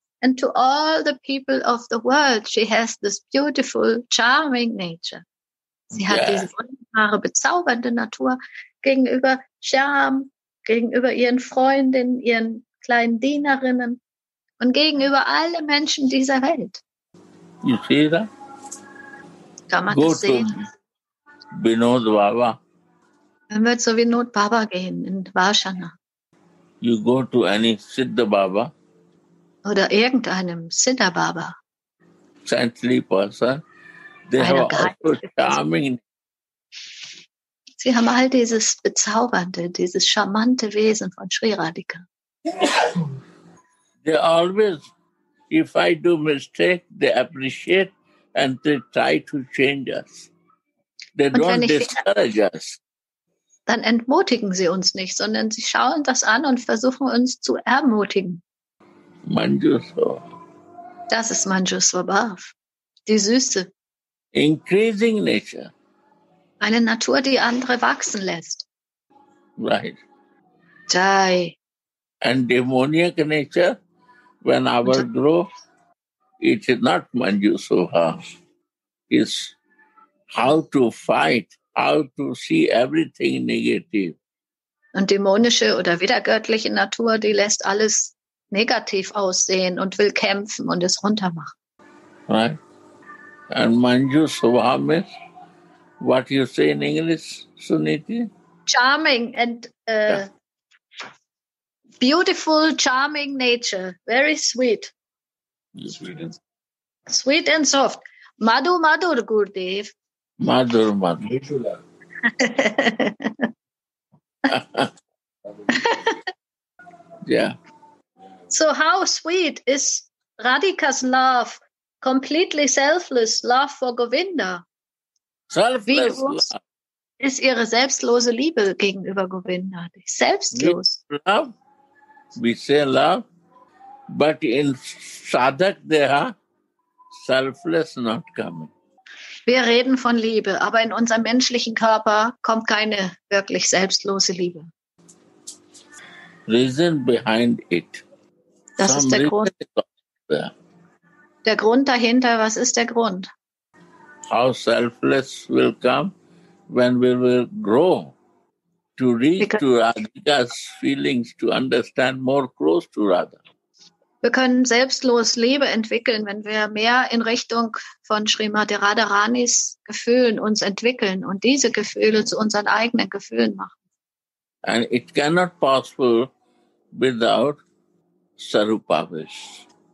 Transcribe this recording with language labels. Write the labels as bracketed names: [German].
[English] And to all the people of the world, she has this beautiful, charming nature. [German] Sie hat diese wunderbare, bezaubernde Natur gegenüber Shyam, gegenüber ihren Freundinnen, ihren kleinen Dienerinnen und gegenüber alle Menschen dieser Welt. [English] You see that? [German] Kann man das sehen? [English] Vinod Baba. [German] Dann wird so Vinod Baba gehen in Varshana. [English] You go to any Siddha Baba. [German] Oder irgendeinem Siddha Baba. [English] Saintly person. They have also charming. [German] Sie haben all dieses bezaubernde, dieses charmante Wesen von Sri Radhika. [English] They always, if I do mistake, they appreciate and they try to change us. They don't discourage us. [German] Dann entmutigen sie uns nicht, sondern sie schauen das an und versuchen uns zu ermutigen. [English] Manjushwar. [German] Das ist Manjushwar Bhav, die Süße. [English] Increasing nature. [German] Eine Natur, die andere wachsen lässt. [English] Right. Jai. And demoniac nature, when our growth, it is not Manjushwar. It's how to fight, how to see everything negative. [German] Und dämonische oder widergöttliche Natur, die lässt alles negativ aussehen und will kämpfen und es runtermachen. [English] Right. And Manjushwar is what you say in English, Suniti? Charming and beautiful, charming nature. Very sweet. Sweet and soft. Madhu Madhur Gurudev. Madhur Madhur. Yeah. So how sweet is Radhika's love? Completely selfless love for Govinda. Selfless. [German] Wie groß ist ihre selbstlose Liebe gegenüber Govinda? Selbstlos. [English] Love, we say love, but in sadhak deha, selfless not coming. [German] Wir reden von Liebe, aber in unserem menschlichen Körper kommt keine wirklich selbstlose Liebe. [English] Reason behind it. [German] Das ist der Grund. Der Grund dahinter, was ist der Grund? [English] How selfless will come when we will grow to reach to Radhika's feelings, to understand more close to Radha. [German] Wir können selbstlos Liebe entwickeln, wenn wir mehr in Richtung von Srimati Radharanis Gefühlen uns entwickeln und diese Gefühle zu unseren eigenen Gefühlen machen. [English] And it cannot possible without Sarupavish.